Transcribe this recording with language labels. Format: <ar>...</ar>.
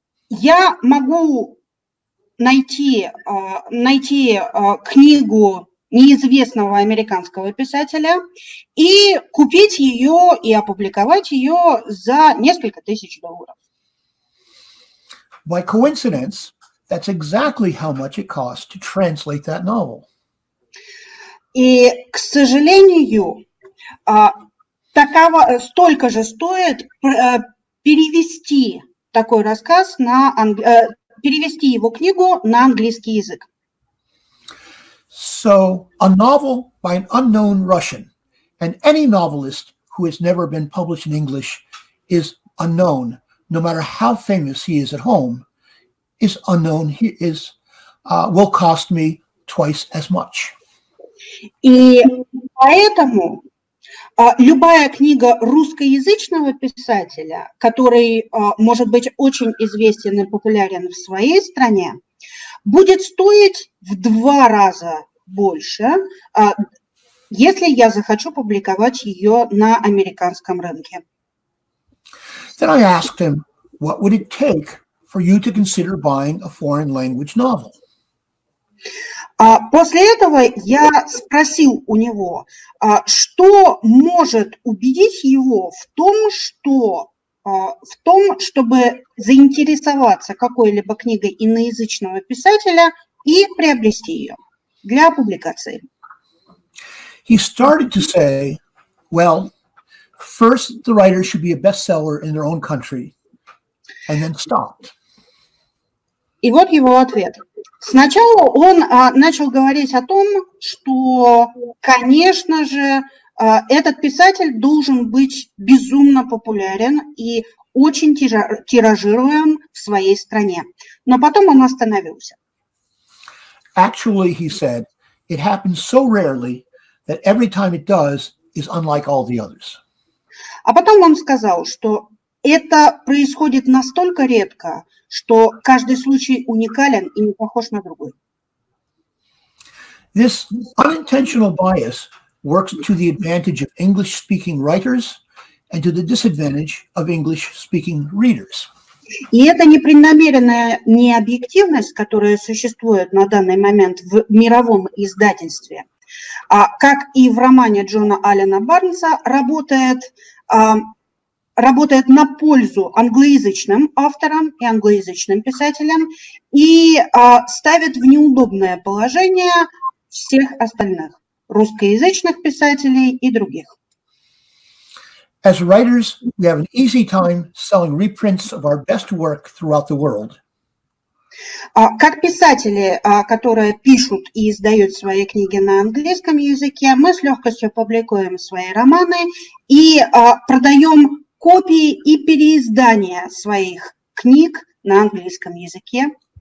<ru>Я могу найти книгу неизвестного американского писателя и купить ее и опубликовать ее за несколько тысяч долларов.</ru> <en>By coincidence, that's exactly how much it costs to translate that novel.</en> <ru>И, к сожалению, столько же стоит перевести такой рассказ перевести его книгу на английский язык.</ru> <en>So, a novel by an unknown Russian, and any novelist who has never been published in English is unknown, no matter how famous he is at home, is unknown, will cost me twice as much.</en> <ru>И поэтому любая книга русскоязычного писателя, который может быть очень известен и популярен в своей стране, будет стоить в два раза больше, если я захочу публиковать ее на американском рынке.</ru> <en>Then I asked him, what would it take for you to consider buying a foreign language novel?</en> <ru>После этого я спросил у него, что может убедить его в том, чтобы заинтересоваться какой-либо книгой иноязычного писателя и приобрести ее для публикации.</ru> <en>He started to say, well, first the writer should be a bestseller in their own country, and then stopped.</en> <ru>И вот его ответ. Сначала он начал говорить о том, что, конечно же, этот писатель должен быть безумно популярен и очень тиражируем в своей стране. Но потом он остановился.</ru> <en>Actually, he said, it happens so rarely that every time it does is unlike all the others.</en> <ru>А потом он сказал, что это происходит настолько редко, что каждый случай уникален и не похож на другой.</ru> <en>This unintentional bias works to the advantage of English-speaking writers and to the disadvantage of English-speaking readers.</en> <ru>И эта непреднамеренная необъективность, которая существует на данный момент в мировом издательстве, как и в романе Джона Аллена Барнса, работает работает на пользу англоязычным авторам и англоязычным писателям и ставит в неудобное положение всех остальных русскоязычных писателей и других.</ru> <en>As writers, we have an easy time selling reprints of our best work throughout the world.</en> <ru>Как писатели, которые пишут и издают свои книги на английском языке, мы с легкостью публикуем свои романы и продаем копии и переиздания своих книг на английском языке.</ru>